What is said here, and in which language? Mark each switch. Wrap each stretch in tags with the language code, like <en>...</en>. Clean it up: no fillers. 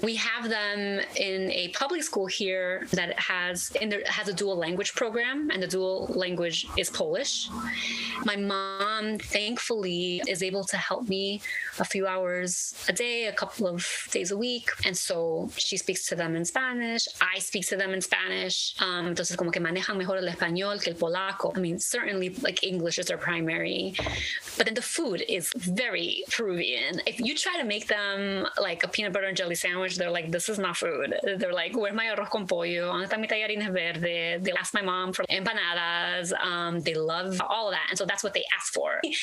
<en>We have them in a public school here that has a dual language program, and the dual language is Polish. My mom, thankfully, is able to help me a few hours a day, a couple of days a week. And so she speaks to them in Spanish. I speak to them in Spanish.</en> <es>Entonces como que manejan mejor el español que el polaco.</es> <en>I mean, certainly like English is their primary, but then the food is very Peruvian. If you try to make them like a peanut butter and jelly sandwich, they're like, this is not food. They're like, where's my</en> <es>arroz con pollo? ¿Dónde está mi tallarines verde?</es> <en>They ask my mom for empanadas. They love all of that. And so that's what they ask for.</en>